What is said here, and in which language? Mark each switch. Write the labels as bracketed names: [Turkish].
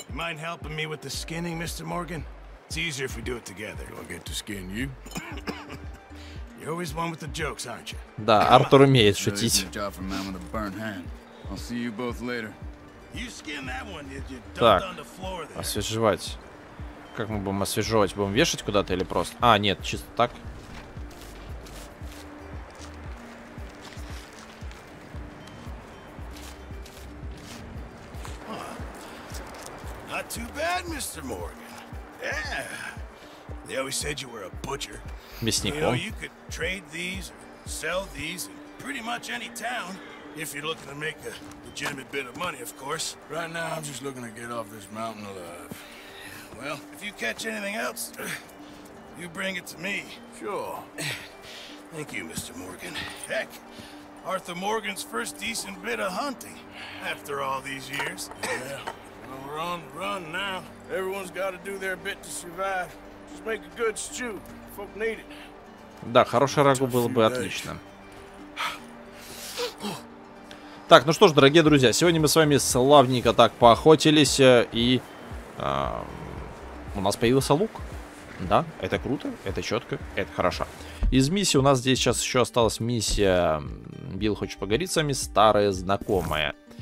[English] You mind helping me with the skinning, Mr. Morgan? It's easier if we do it together. You'll get to skin you. You're always one with the jokes, aren't you? [Russian] Да, Артур умеет шутить. [English] Job for man with a burnt hand. I'll see you both later. You skin that one, did you? Так, on the floor there. [Russian] Освеживать. Как мы будем освеживать? Будем вешать куда-то или просто? А, нет, чисто так. [English] Not too bad, Mr. Morgan. Yeah, they always said you were a butcher. [Russian] Мясником. [English] You know, you could trade these, sell these in pretty much any town, if you're looking to make a legitimate bit of money, of course. Right now, I'm just looking to get off this mountain alive. Well, if you catch anything else, you bring it to me. Sure. Thank you, Mr. Morgan. Heck, Arthur Morgan's first decent bit of hunting, after all these years. Yeah. Well, we're on the run now. Everyone's got to do their bit to survive. Just make a good stew. Folk need it. [Russian] Да, хорошее рагу было бы отлично. Так, ну что ж, дорогие друзья, сегодня мы с вами славненько так поохотились, и у нас появился лук. Да, это круто, это четко, это хорошо. Из миссии у нас здесь сейчас еще осталась миссия «Билл хочет поговорить с вами, старая знакомая».